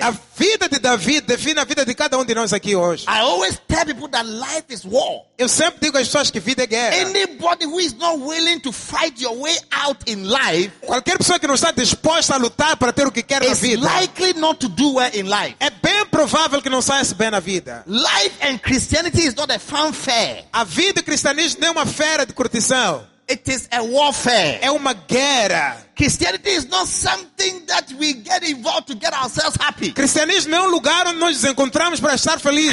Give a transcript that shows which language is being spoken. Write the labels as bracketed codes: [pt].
[pt] A vida de Davi define a vida de cada de nós aqui hoje. [en] I always tell people that life is war. [pt] Eu sempre digo às pessoas que vida é guerra. [en] Anybody who is not willing to fight your way out in life. [pt] Qualquer pessoa que não está disposta a lutar para ter o que quer na vida. [en] Is likely not to do well in life. [pt] É bem provável que não saia bem na vida. [en] Life and Christianity is not a fanfare. [pt] A vida cristianismo não é uma feira de curtição. [en] It is a warfare. [pt] É uma guerra. [en] Christianity is not something that we get involved to get ourselves happy. [pt] Cristianismo é lugar onde nós nos encontramos para estar felizes.